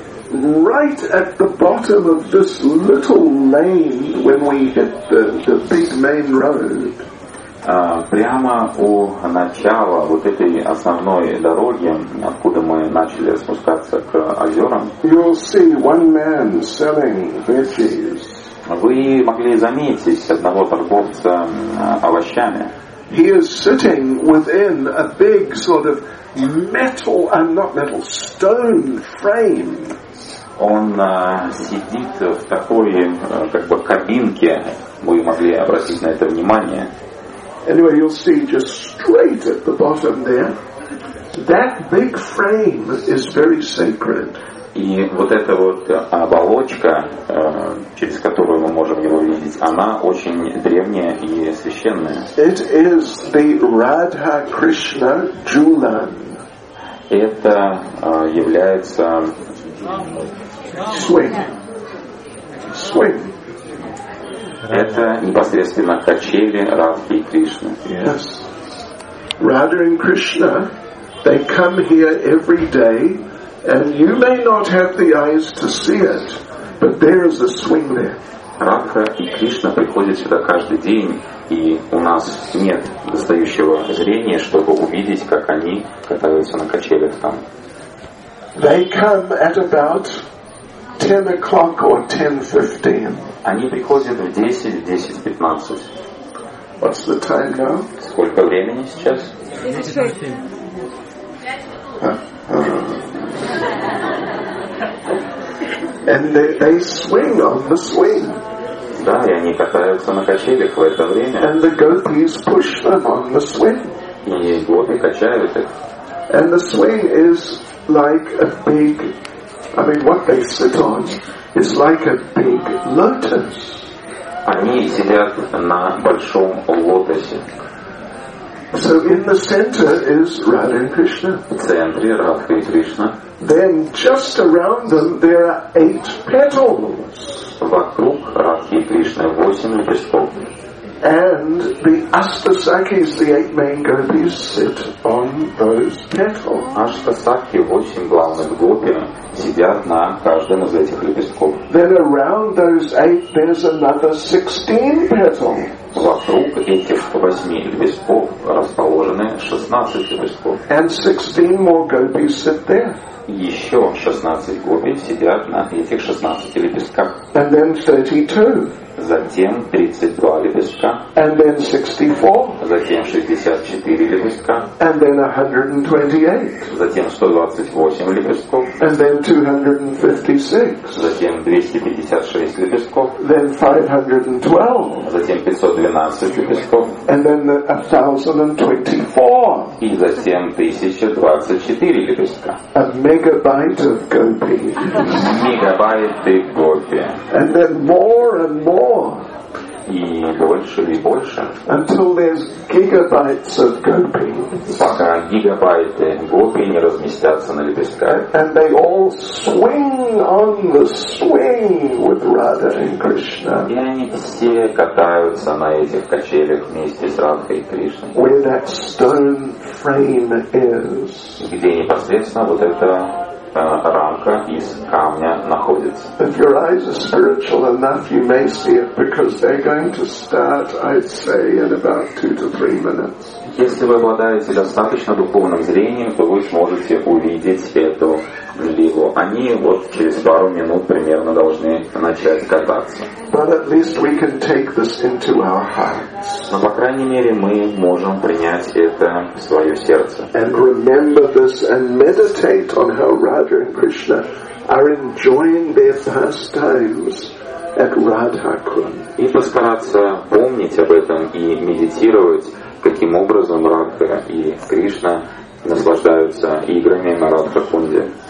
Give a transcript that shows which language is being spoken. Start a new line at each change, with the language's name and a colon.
English: Right at the bottom of this little lane, when we hit the big main road.
Russian: Прямо у начала вот этой основной дороги, откуда мы начали спускаться к озерам.
English: You'll see one man selling veggies.
Russian: Вы могли заметить одного торговца овощами.
English: He is sitting within a big sort of stone frame.
Russian: Он сидит в такой как бы кабинке. Вы могли обратить на это внимание.
English: Anyway, you'll see just straight at the bottom there. That big frame is very sacred.
Russian: И вот эта вот оболочка, через которую мы можем его видеть, она очень древняя и священная.
English: It is the Radha Krishna Julan.
Russian: Это является
English: Swing.
Russian: Это непосредственно качели Радхи и Кришны.
English: Yes. Radha and Krishna, they come here every day, and you may not have the eyes to see it, but there is a swing there.
Russian: Радха и Кришна приходят сюда каждый день, и у нас нет достающего зрения, чтобы увидеть, как они катаются на качелях там.
English: They come at about 10 o'clock or 10:15.
Russian: Они приходят в 10:15.
English: What's the time now?
Russian: Сколько времени сейчас?
English: 10:15. And they swing on the swing.
Russian: Да, и они катаются на качелях в это время.
English: And the gopis push them on the swing.
Russian: И гопи качают их.
English: And the swing is like a big, I mean, what they sit on is like a big lotus.
Russian: Они сидят на большом лотосе.
English: So in the center is Radha and Krishna.
Russian: В центре Радха и Кришна.
English: Then just around them there are eight petals.
Russian: Вокруг Радхи и Кришны 8 лепестков.
English: And the Ashtasakhis, the eight main gopis, sit on those petals.
Russian: Ashtasakhi, 8 главных гопи, сидят на каждом из этих лепестков.
English: Then around those eight, there's another 16 petals.
Russian: Вокруг этих 8 лепестков расположены 16 лепестков.
English: And 16 more gopis sit there.
Russian: Еще 16 гопи сидят на этих 16 лепестках.
English: And then 32.
Russian: Затем 32 лепестка.
English: And then 64.
Russian: Затем 64 лепестка.
English: And then 128.
Russian: Затем 128 лепестков.
English: And then 256.
Russian: Затем 256 лепестков.
English: Then 512.
Russian: Затем 512 лепестков.
English: And then 1024.
Russian: И затем 1024 лепестка.
English: A megabyte of gopi.
Russian: Мегабайты гопи.
English: And then more and more.
Russian: И больше и больше.
English: Until there's gigabytes of gopi.
Russian: Пока гигабайты гопи не разместятся на лепестках.
English: And they all swing on the swing with Radha and Krishna.
Russian: И они все катаются на этих качелях вместе с Радхой и Кришной.
English: Where that stone frame is.
Russian: Где непосредственно вот это рамка из камня находится.
English: If your eyes are spiritual enough, you may see it because they're going to start, I'd say, in about 2-3 minutes.
Russian: Если вы обладаете достаточно духовным зрением, то вы сможете увидеть эту лилу. Они вот через пару минут примерно должны начать кататься.
English: But at least we can take this into our hearts.
Russian: Но по крайней мере мы можем принять это в свое сердце.
English: And remember this and meditate on how Radha and Krishna are enjoying their pastimes at Radhakund.
Russian: И постараться помнить об этом и медитировать, каким образом Радха и Кришна наслаждаются играми на Радхакунде.